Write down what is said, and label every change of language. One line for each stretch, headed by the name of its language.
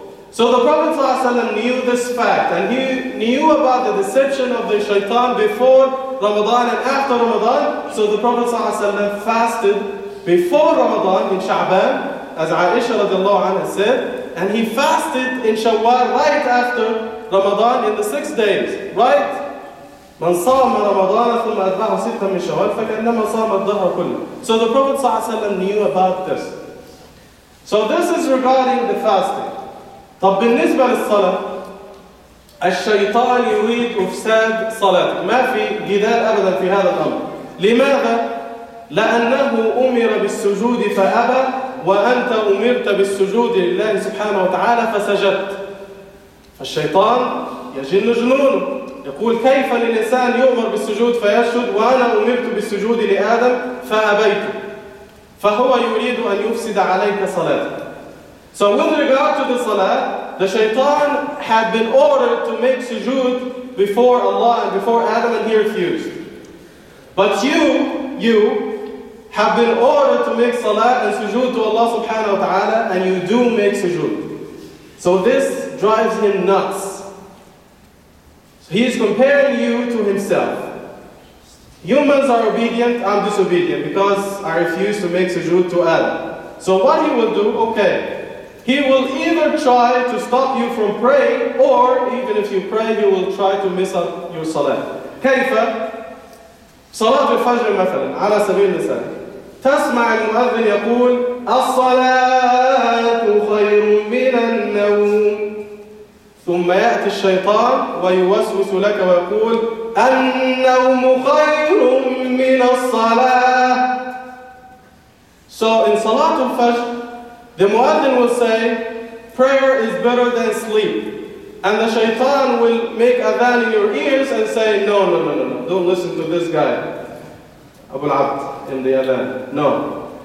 English: So the Prophet ﷺ knew this fact, and he knew about the deception of the shaitan before Ramadan and after Ramadan. So the Prophet ﷺ fasted before Ramadan in Sha'ban, as Aisha radiallahu anha said, and he fasted in Shawwal right after Ramadan in the 6 days, right?
Arabic: من صام رمضان ثم أتبعه ستة من شوال فكأنما صام الدهر كله.
English: So the Prophet ﷺ knew about this. So this is regarding the fasting.
Arabic: طب بالنسبة للصلاة الشيطان يريد إفساد صلاة ما في جدال أبدا في هذا الأمر لماذا؟ لأنه أمر بالسجود فأبى وأنت أمرت بالسجود لله سبحانه وتعالى فسجدت فالشيطان يجن جنون يقول كيف للإنسان يؤمر بالسجود فيسجد وأنا أمرت بالسجود لآدم فأبيت فهو يريد أن يفسد عليك صلاتك.
English: So with regard to the salah, the shaitan had been ordered to make sujood before Allah and before Adam, and he refused. But you have been ordered to make salah and sujood to Allah subhanahu wa ta'ala, and you do make sujood. So this drives him nuts. So he is comparing you to himself. Humans are obedient, I'm disobedient, because I refuse to make sujood to Adam. So what he will do, okay, he will either try to stop you from praying, or even if you pray, he will try to miss up your salah.
Arabic: كيف صلاة الفجر مثلا على سبيل المثال تسمع المؤذن يقول الصلاة خير من النوم ثم يأتي الشيطان ويوسوس لك ويقول النوم خير من الصلاة.
English: So in
Arabic: صلاة الفجر
English: the muaddin will say, prayer is better than sleep. And the shaitan will make adhan in your ears and say, no, don't listen to this guy, Abu al-Abd in the adhan. No.